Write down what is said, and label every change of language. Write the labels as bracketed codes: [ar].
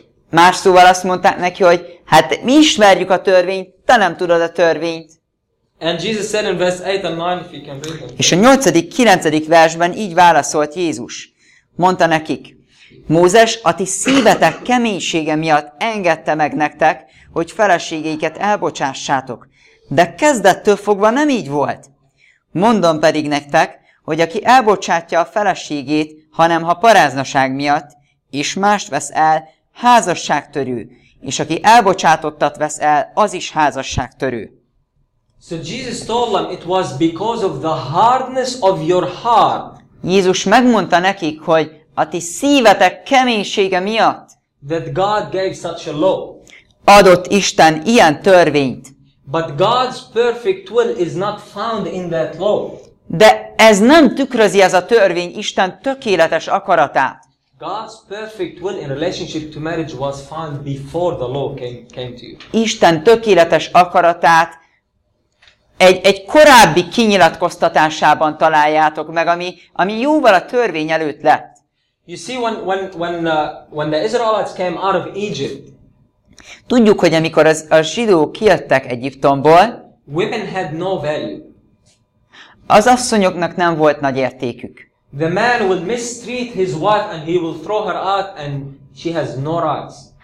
[hu] Más szóval azt mondták neki, hogy hát mi ismerjük a törvényt, te nem tudod a törvényt. [en] And Jesus said in verse 8 and 9, if you can read them. [hu] És a 8.-9. versben így válaszolt Jézus. Mondta nekik, Mózes a ti szívetek keménysége miatt engedte meg nektek, hogy feleségeiket elbocsássátok. De kezdettől fogva nem így volt. Mondom pedig nektek, hogy aki elbocsátja a feleségét, hanem ha paráznaság miatt, és mást vesz el, házasságtörő, és aki elbocsátottat vesz el, az is házasságtörő. [en] So Jesus told them it was because of the hardness of your heart. [hu] Jézus megmondta nekik, hogy a ti szívetek keménysége miatt [en] that God gave such a law. [hu] Adott Isten ilyen törvényt. [en] But God's perfect will is not found in that law. [hu] De ez nem tükrözi ez a törvény Isten tökéletes akaratát. [en] God's perfect will in relationship to marriage was found before the law came to you. [hu] Isten tökéletes akaratát egy korábbi kinyilatkoztatásában találjátok meg, ami jóval a törvény előtt lett. [en] You see when the Israelites came out of Egypt. [hu] Tudjuk, hogy amikor a zsidók kijöttek Egyiptomból, [en] women had no value. [hu] Az asszonyoknak nem volt nagy értékük. [en] The man will mistreat his wife and he will throw her out and she has no rights.